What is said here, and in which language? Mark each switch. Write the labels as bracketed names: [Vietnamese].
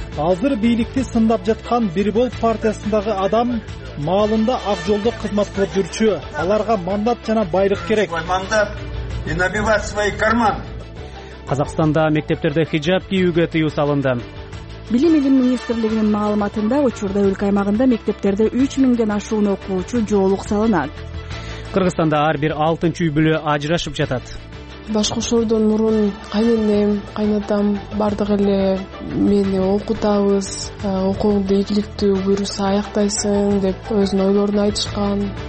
[Kyrgyz] Азыр бийликти сындап жаткан Бербол партиясындагы адам маалында акжолдо кызмат кылып жүрчү. Аларга мандат жана байрык керек. [Russian] Мандат и набивать свои карманы. [Kyrgyz] Казакстанда мектептерде хиджаб кийүүгө тыюу салынды. Билим министрлигинин маалыматында учурда өлкө аймагында мектептерде 3000 ашуун окуучу жоолук салынат. Кыргызстанда ар бир 6 үй бүлө ажырашып жатат. Башкошуудан мурун кайненем, кайнатам бардык эле мени окутабыз, окууңду ийгиликтүү буюрса аяктайсың деп өзүнүн ойлорун айтышкан.